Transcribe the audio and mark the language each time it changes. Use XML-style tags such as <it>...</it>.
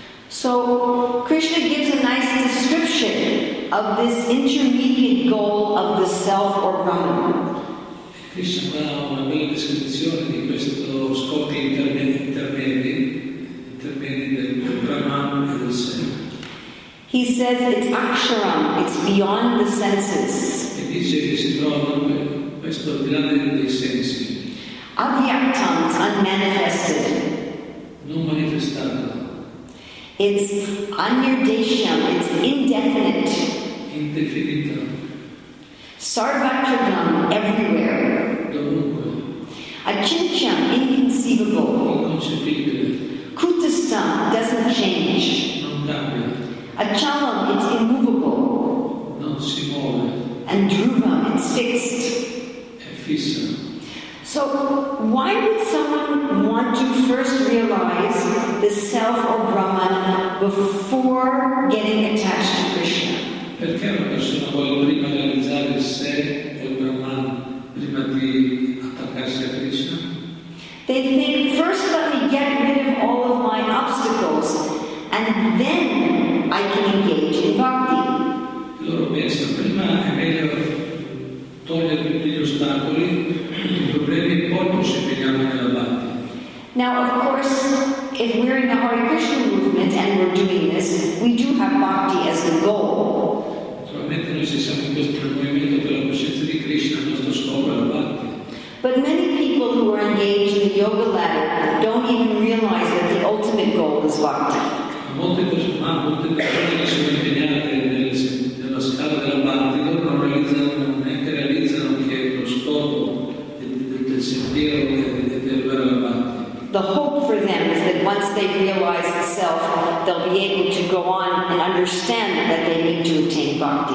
<en>So Krishna gives a nice description of this intermediate goal of the self or Brahman.</en> <it>Krishna dà una bella descrizione di questo scopo intermedio del Brahman e del sé.</it> <en>He says it's aksharam, it's beyond the senses.</en> <it>E dice che si trova questo al di là dei sensi.</it> <en>Avyaktam, it's unmanifested.</en> <it>Non manifestato.</it> <en>It's anirdesham, it's indefinite.</en> <it>Indefinito.</it> <en>Sarvakshadam, everywhere. Achintyam, inconceivable. Inconceivable. Kutastam, doesn't change.</en> <it>Non cambia.</it> <en>Achalam, it's immovable.</en> <it>Non si muove.</it> <en>And Dhruvam, it's fixed.</en> <it>È fissa.</it> <en>So, why would someone want to first realize the self or Brahman before getting attached to Krishna?</en> <it>Perché una persona vuole prima realizzare il sé o il Brahman prima di attaccarsi a Krishna?</it> <en>They think, first let me get rid of all of my obstacles and then I can engage in bhakti.</en> <it>Loro pensano, prima è meglio togliere tutti gli ostacoli, i problemi, e poi ci impegniamo nella bhakti.</it> <en>Now, of course, if we're in the Hare Krishna movement and we're doing this, we do have bhakti as the goal.</en> <it>Naturalmente noi siamo in questo movimento per la coscienza di Krishna, il nostro scopo è la bhakti.</it> <en>But many people who are engaged in the yoga ladder don't even realize that the ultimate goal is bhakti.</en> <it>Molte persone che sono impegnate nella scala della bhakti loro non realizzano neanche realizzano che lo scopo del sentiero è arrivare alla bhakti.</it> <en>The hope for them is that once they realize the self, they'll be able to go on and understand that they need to attain bhakti.</en>